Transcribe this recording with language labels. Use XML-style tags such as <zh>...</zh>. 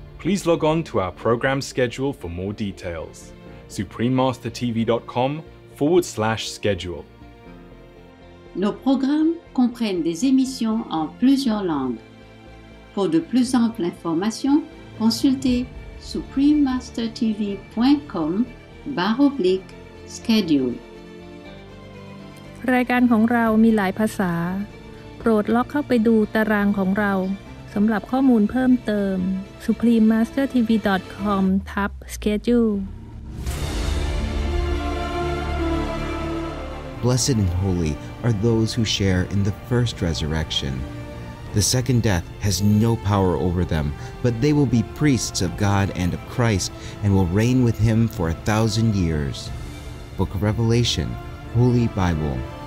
<en>Please log on to our program schedule for more details. suprememastertv.com/schedule.</en> <fr>Nos programmes comprennent des émissions en plusieurs langues. Pour de plus amples informations, consultez suprememastertv.com/schedule.</fr> <th>รายการของเรามีหลายภาษาโปรดล็อกเข้าไปดูตารางของเราสำหรับข้อมูลเพิ่มเติม suprememastertv.com/schedule.</th> <en>Blessed and holy are those who share in the first resurrection. The second death has no power over them, but they will be priests of God and of Christ and will reign with him for 1,000 years. Book of Revelation, Holy Bible.</en>